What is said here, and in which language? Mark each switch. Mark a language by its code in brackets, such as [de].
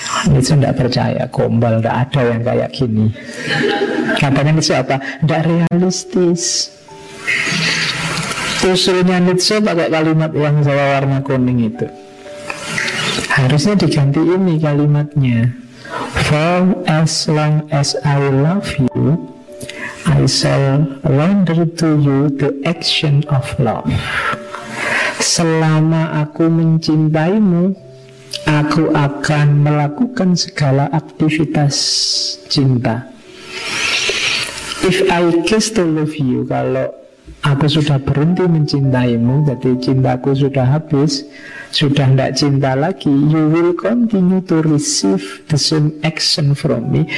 [id] Nietzsche tidak percaya, gombal, tidak ada yang kayak gini. Katanya Nietzsche apa? Tidak realistis. Usulnya Nietzsche pakai kalimat yang sama warna kuning itu. Harusnya diganti ini kalimatnya. [en] For as long as I love you, I shall render to you the action of love. [id] Selama aku mencintaimu, aku akan melakukan segala aktivitas cinta. [en] If I cease to love you, [id] kalau aku sudah berhenti mencintaimu, jadi cintaku sudah habis, sudah tidak cinta lagi, [en] you will continue to receive the same action from me.